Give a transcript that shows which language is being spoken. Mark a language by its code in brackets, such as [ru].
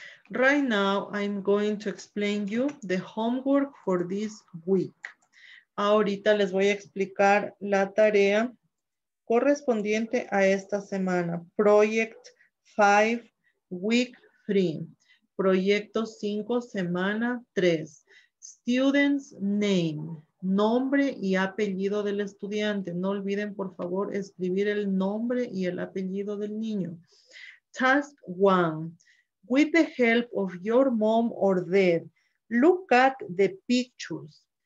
[en] Right now, I'm going to explain you the homework for this week. [es] Ahorita les voy a explicar la tarea correspondiente a esta semana. [en] Project 5, week 3. [es] Proyecto 5, semana 3. [en] Student's name. [es] Nombre y apellido del estudiante. No olviden, por favor, escribir el nombre y el apellido del niño. [en] Task 1. With the help of your mom or dad, look at the pictures.